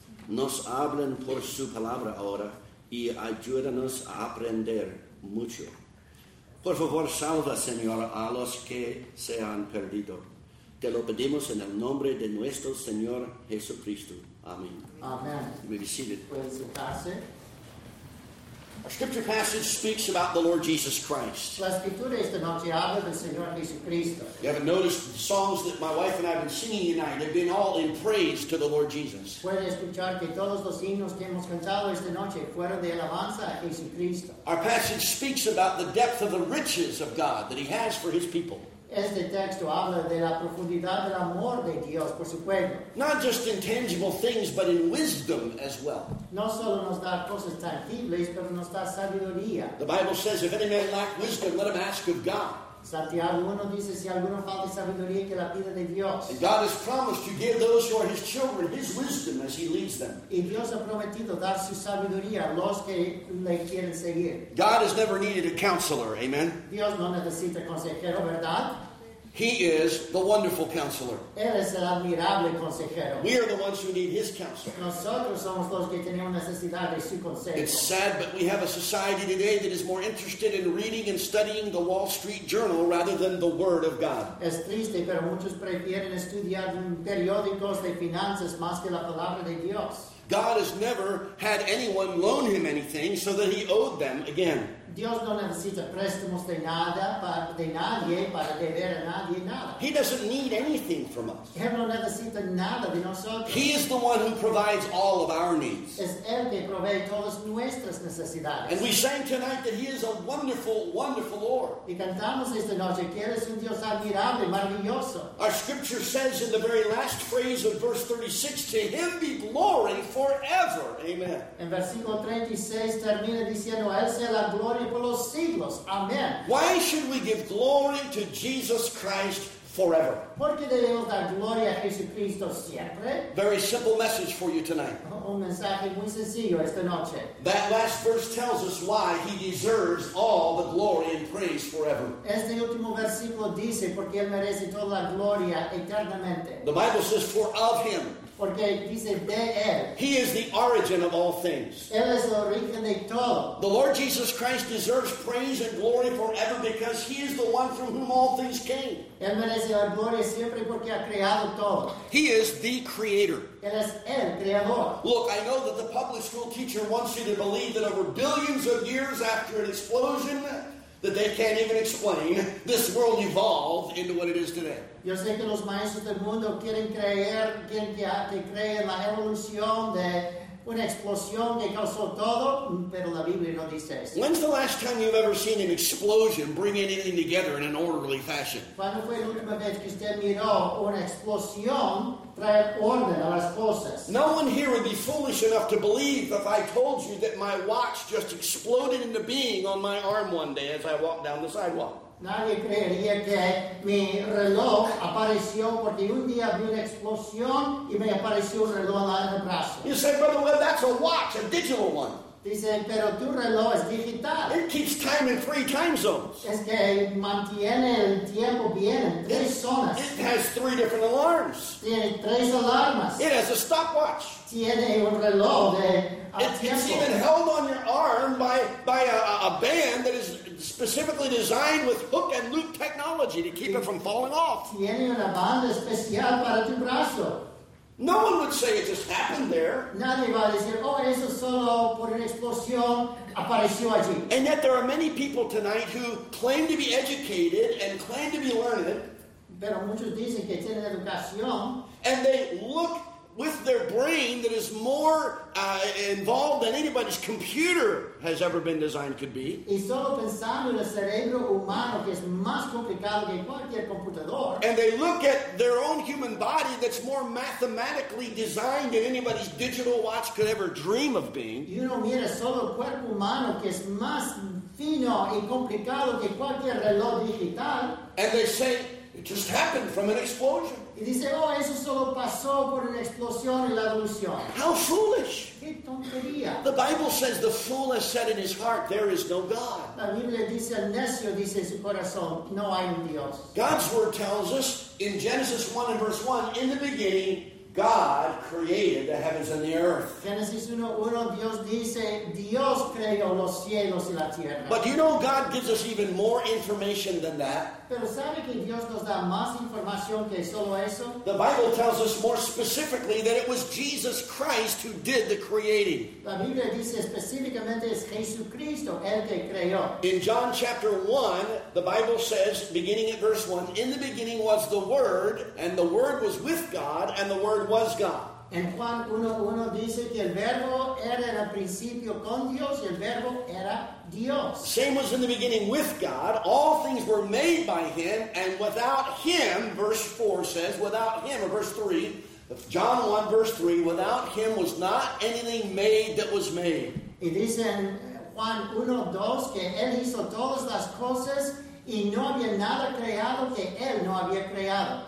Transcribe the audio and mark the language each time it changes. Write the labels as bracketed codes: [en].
[es] Nos hablen por su palabra ahora y ayúdanos a aprender mucho. Por favor, salva, Señor, a los que se han perdido. Te lo pedimos en el nombre de nuestro Señor Jesucristo. Amén. Amén. [en] Be seated. [es] Puedes sentarse. [en] Our scripture passage speaks about the Lord Jesus Christ. [es] La escritura esta noche habla del Señor Jesucristo. [en] You haven't noticed the songs that my wife and I have been singing tonight. They've been all in praise to the Lord Jesus. [es] Puede escuchar que todos los himnos que hemos cantado esta noche fueron de alabanza a Jesucristo. [en] Our passage speaks about the depth of the riches of God that He has for His people. [es] Este texto habla de la profundidad del amor de Dios por su pueblo. [en] Not just in tangible things, but in wisdom as well. [es] No solo nos da cosas tangibles, pero nos da sabiduría. [en] The Bible says, if any man lack wisdom, let him ask of God. [es] Santiago 1 dice, si alguno falta sabiduría, que la pida de Dios. [en] And God has promised to give those who are His children His wisdom as He leads them. [es] Y Dios ha prometido dar su sabiduría a los que le quieren seguir. [en] God has never needed a counselor, amen? [es] Dios no necesita consejero, ¿verdad? [en] He is the wonderful counselor. [es] Él es el admirable consejero. [en] We are the ones who need His counsel. [es] Nosotros somos los que tenemos necesidad de su consejo. [en] It's sad, but we have a society today that is more interested in reading and studying the Wall Street Journal rather than the Word of God. [es] Es triste, pero muchos prefieren estudiar periódicos de finanzas más que la palabra de Dios. [en] God has never had anyone loan Him anything so that He owed them again. [es] Dios no necesita préstamos de nada, de nadie, para deber a nadie nada. [en] He doesn't need anything from us. [es] Él no necesita nada de nosotros. [en] He is the one who provides all of our needs. [es] Es Él que provee todas nuestras necesidades. [en] And we sang tonight that He is a wonderful, wonderful Lord. [es] Y cantamos esta noche que Él es un Dios admirable, maravilloso. [en] Our scripture says in the very last phrase of verse 36, to Him be glory forever. Amen. [es] En versículo 36 termina diciendo, a Él sea la gloria. [en] Amen. Why should we give glory to Jesus Christ forever? [es] Porque debemos dar gloria a Jesucristo siempre. [en] Very simple message for you tonight. [es] Un mensaje muy sencillo esta noche. [en] That last verse tells us why He deserves all the glory and praise forever. [es] Este último versículo dice porque Él merece toda la gloria eternamente. [en] The Bible says, for of Him. [es] Porque dice de él. [en] He is the origin of all things. [es] Él es el origen de todo. [en] The Lord Jesus Christ deserves praise and glory forever because He is the one from whom all things came. [es] Él merece la gloria siempre porque ha creado todo. [en] He is the creator. [es] Él es el creador. [en] Look, I know that the public school teacher wants you to believe that over billions of years after an explosion that they can't even explain, this world evolved into what it is today. [es] Yo sé que los maestros del mundo quieren creer la evolución de una explosión que causó todo, pero la Biblia no dice eso. [en] When's the last time you've ever seen an explosion bring anything together in an orderly fashion? [es] ¿Cuándo fue la última vez que usted miró una explosión traer orden a las cosas? [en] No one here would be foolish enough to believe if I told you that my watch just exploded into being on my arm one day as I walked down the sidewalk. [es] Nadie creería que mi reloj apareció porque un día vi una explosión y me apareció un reloj en el brazo. [en] You say, brother, well, that's a watch, a digital one. [es] Dice, pero tu reloj es digital. [en] It keeps time in three time zones. [es] Es que mantiene el tiempo bien en tres zonas. [en] It has three different alarms. [es] Tiene tres alarmas. [en] It has a stopwatch. [es] Tiene un reloj de tiempo. [en] It's even held on your arm by a band that is specifically designed with hook and loop technology to keep it from falling off. [es] Tiene una banda especial para tu brazo. [en] No one would say it just happened there. [es] Nadie va a decir, oh, eso solo por una explosión apareció allí. [en] And yet there are many people tonight who claim to be educated and claim to be learned. [es] Pero muchos dicen que tienen educación. [en] And they look with their brain that is more involved than anybody's computer has ever been designed could be. [es] Y solo pensando en el cerebro humano que es más complicado que cualquier computador. [en] And they look at their own human body that's more mathematically designed than anybody's digital watch could ever dream of being. [es] Y uno mira solo el cuerpo humano que es más fino y complicado que cualquier reloj digital. [en] And they say, it just happened from an explosion. [es] Y dice, oh, eso solo pasó por una explosión y la evolución. [en] How foolish! [es] Qué tontería. [en] The Bible says the fool has said in his heart, there is no God. [es] La Biblia dice, el necio dice en su corazón, no hay un Dios. [en] God's word tells us in Genesis 1 and verse 1, in the beginning, God created the heavens and the earth. [es] Genesis 1:1, Dios dice, Dios creó los cielos y la tierra. [en] But you know, God gives us even more information than that. [es] Pero sabe que Dios nos da más información que solo eso. [en] The Bible tells us more specifically that it was Jesus Christ who did the creating. [es] La Biblia dice específicamente es Jesucristo el que creó. [en] In John chapter 1, the Bible says, beginning at verse 1, in the beginning was the Word, and the Word was with God, and the Word was God. [es] En Juan 1:1 dice que el verbo era en el principio con Dios y el verbo era Dios. [en] Same was in the beginning with God. All things were made by Him, and without Him, verse 4 says, without Him, or verse 3, John 1, verse 3, without Him was not anything made that was made. [es] Y dice en Juan 1:2 que Él hizo todas las cosas y no había nada creado que Él no había creado.